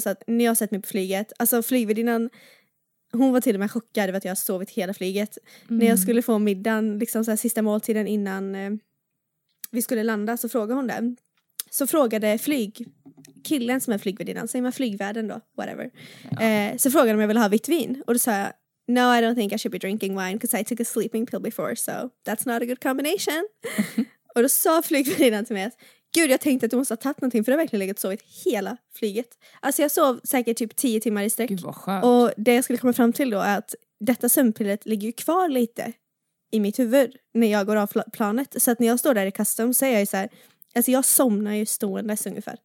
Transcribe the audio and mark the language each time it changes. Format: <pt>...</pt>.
<sv>Så att ni har sett mig på flyget. Alltså flygvärdinnan. Hon var till och med chockad över att jag har sovit hela flyget. Mm. När jag skulle få middagen, liksom så här, sista måltiden innan vi skulle landa, så frågade hon det. Så frågade killen som är flygvärdinnan, säger man flygvärden då, whatever. Ja. Så frågade hon om jag ville ha vitt vin. Och då sa jag,</sv> <en>no, I don't think I should be drinking wine because I took a sleeping pill before, so that's not a good combination.</en> <sv>Och då sa flygvärdinnan till mig att, gud, jag tänkte att du måste ha tagit någonting, för det har verkligen legat sovit hela flyget. Alltså jag sov säkert typ 10 timmar i sträck. Gud, vad skönt. Och det jag skulle komma fram till då är att detta sömnpillet ligger ju kvar lite i mitt huvud när jag går av planet. Så att när jag står där i custom så är jag ju såhär, alltså jag somnar ju stående ungefär.</sv>